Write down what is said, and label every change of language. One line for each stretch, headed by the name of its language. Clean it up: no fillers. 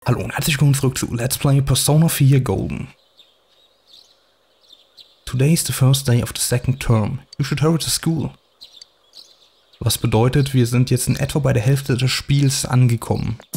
German: Hallo und herzlich willkommen zurück zu Let's Play Persona 4 Golden.
English: Today is the first day of the second term. You should hurry to school.
German: Was bedeutet, wir sind jetzt in etwa bei der Hälfte des Spiels angekommen.